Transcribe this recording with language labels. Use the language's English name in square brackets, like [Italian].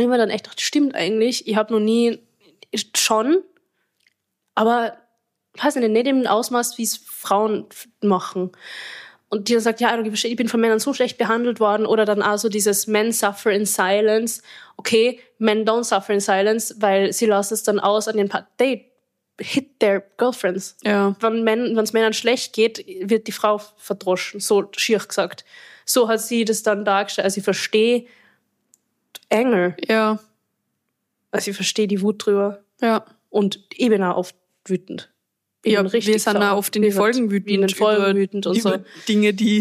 [German] Ich habe dann echt gedacht, stimmt eigentlich. Ich habe noch nie schon, aber weiß nicht im Ausmaß, wie es Frauen machen. Und die dann sagt, ja, ich bin von Männern so schlecht behandelt worden. Oder dann auch so dieses [English] Men suffer in silence. [German] Okay, [English] men don't suffer in silence, [German] weil sie lassen es dann aus an den Partner. [English] They hit their girlfriends. [German] Ja. Wenn es Männern schlecht geht, wird die Frau verdroschen, so schier gesagt. So hat sie das dann dargestellt. Also ich verstehe Anger. Ja. Also ich verstehe die Wut drüber. Ja. Und ich bin auch oft wütend. Ja, wir sind auch oft in den Folgen wütend, Dinge, die